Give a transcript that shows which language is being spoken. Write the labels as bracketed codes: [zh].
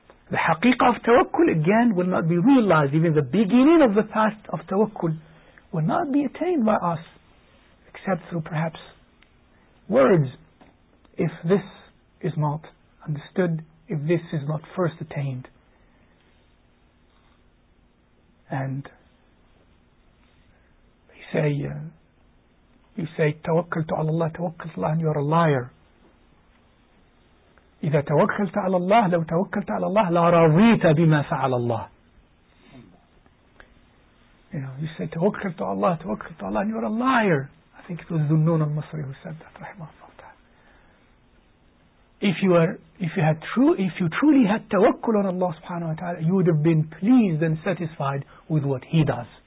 [en] The haqiqah of tawakkul, again, will not be realized. Even the beginning of the past of tawakkul will not be attained by us, except through perhaps words, if this is not understood, if this is not first attained. And they say, you say, tawakkul to Allah, tawakkul to Allah, and you are a liar. [ar] إذا توكلت على الله لو توكلت على الله لا رضيت بما فعل الله. [en] You say [ar] توكلت على الله توكلت على الله [en] and you're a liar. I think it was Dhunnun al-Masri who said that, رحمه الله تعالى. If you truly had توكل on Allah subhanahu wa ta'ala, you would have been pleased and satisfied with what He does.